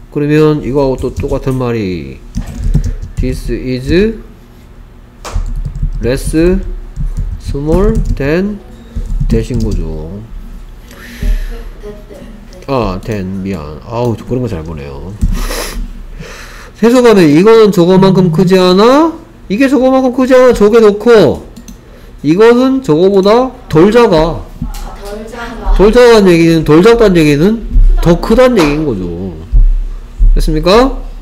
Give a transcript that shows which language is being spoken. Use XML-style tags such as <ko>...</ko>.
<ko>그러면 이거하고 또 똑같은 말이.</ko> <en>This is less small than that</en> <ko>인 거죠. 아, 텐 미안. 아우, 저 그런 거 잘 보네요. 세수관에 이거는 저거만큼 크지 않아? 이게 저거만큼 크지 않아? 저게 더 커. 이거는 저거보다 덜 작아. 덜 작아. 덜 작다는 얘기는, 덜 작다는 얘기는 더 크다는 얘기인 거죠. 됐습니까?</ko>